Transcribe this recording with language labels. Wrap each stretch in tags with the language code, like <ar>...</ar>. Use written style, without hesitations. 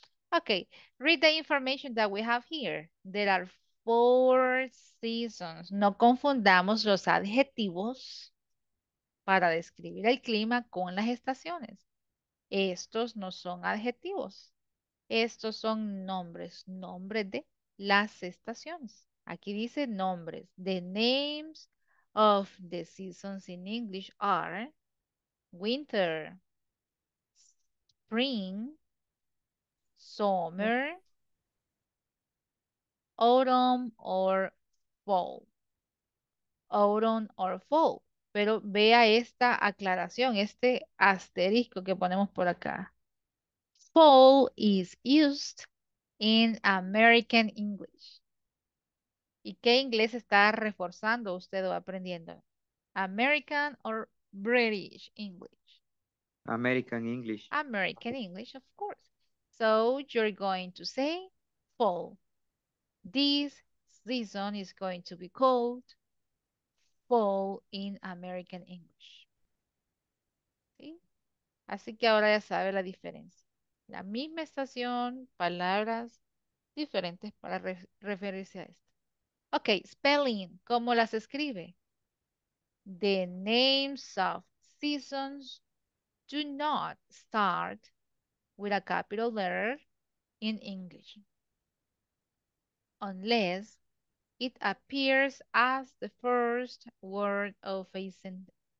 <en>Okay, read the information that we have here. There are four seasons.</en> <es>No confundamos los adjetivos para describir el clima con las estaciones. Estos no son adjetivos. Estos son nombres, nombres de las estaciones. Aquí dice nombres.</es> <en>The names of the seasons in English are winter, spring, summer, autumn or fall. Autumn or fall.</en> <es>Pero vea esta aclaración, este asterisco que ponemos por acá.</es> <en>Fall is used in American English.</en> <es>¿Y qué inglés está reforzando usted o aprendiendo?</es> <en>American or British English? American English. American English, of course. So you're going to say fall. This season is going to be called fall in American English. ¿Sí?</en> <es>Así que ahora ya sabe la diferencia. La misma estación, palabras diferentes para referirse a esto. Ok, spelling, ¿cómo las escribe?</es> <en>The names of seasons do not start with a capital letter in English, unless it appears as the first word of a sentence.</en>